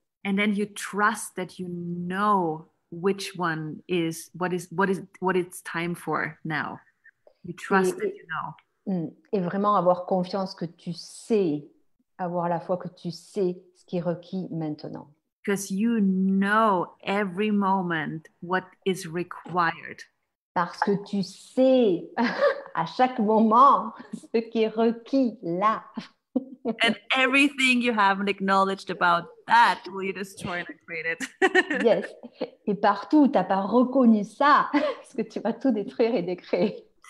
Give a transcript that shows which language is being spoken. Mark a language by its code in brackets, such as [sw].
[en] And then you trust that you know which one is what it's time for now. You trust that you know. [fr] Et vraiment avoir confiance que tu sais, avoir la foi que tu sais ce qui est requis maintenant. [en] Because you know every moment what is required. [fr] Parce que tu sais à chaque moment ce qui est requis là. [en] And everything you haven't acknowledged about that will you destroy and create it. Yes. [fr] Et partout tu n'as pas reconnu ça, parce que tu vas tout détruire et décréer.